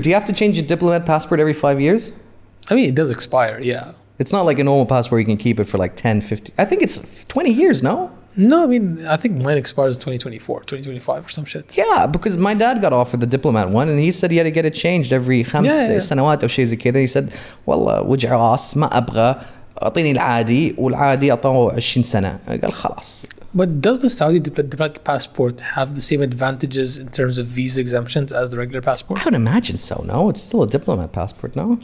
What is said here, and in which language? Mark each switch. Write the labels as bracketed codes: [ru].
[en] Do you have to change your diplomat passport every 5 years? I mean, it does expire, yeah. It's not like a normal passport, you can keep it for like 10, 15, I think it's 20 years, no? No, I mean, I think mine expires in 2024, 2025 or some shit. Yeah, because my dad got offered the diplomat one and he said he had to get it changed every 5 years or [ar] شيء زي كذا. [en] He said, [ar] والله وجع راس ما أبغى أعطيني العادي والعادي أعطوه 20 سنة. قال خلاص. [en] But does the Saudi diplomatic passport have the same advantages in terms of visa exemptions as the regular passport? I would imagine so, no? It's still a diplomat passport, no?